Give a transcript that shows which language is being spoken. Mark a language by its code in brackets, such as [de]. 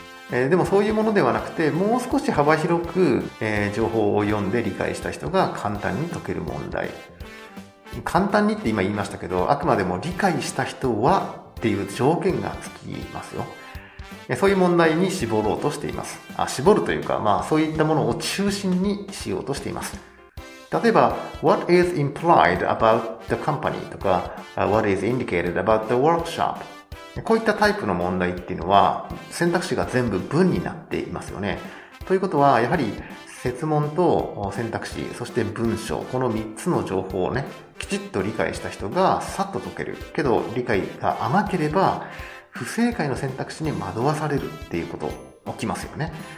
[ja] でもそういうものではなくて、もう少し幅広く、情報を読んで理解した人が簡単に解ける問題。簡単にって今言いましたけど、あくまでも理解した人はっていう条件がつきますよ。そういう問題に絞ろうとしています。絞るというか、まあそういったものを中心にしようとしています。 [en] 例えば、What is implied about the company? [ja] とか、 [en] What is indicated about the workshop? [ja] こういったタイプの問題っていうのは、選択肢が全部文になっていますよね。ということは、やはり、設問と選択肢、そして文章、この3つの情報をね、きちっと理解した人がさっと解ける。けど理解が甘ければ不正解の選択肢に惑わされるっていうこと起きますよね。